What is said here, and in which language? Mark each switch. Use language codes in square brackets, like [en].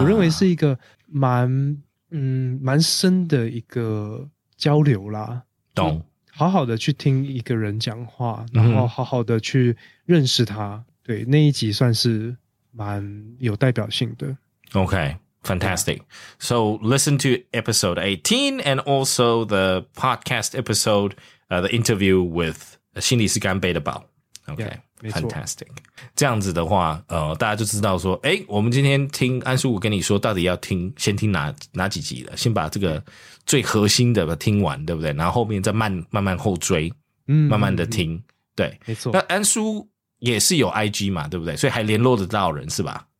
[zh] 我认为是一个蛮深的一个交流啦。懂，好好的去听一个人讲话，然后好好的去认识他。对，那一集算是蛮有代表性的。 [en] OK, fantastic. So listen to episode 18 and also the podcast episode, the interview with 心理师干杯的宝。 OK, yeah, fantastic. [zh] 这样子的话，大家就知道说，我们今天听安叔我跟你说，到底要听先听哪几集了？先把这个最核心的听完，对不对？然后后面再慢慢后追，慢慢的听。对，没错。那安叔也是有 IG 嘛，对不对？所以还联络得到人是吧？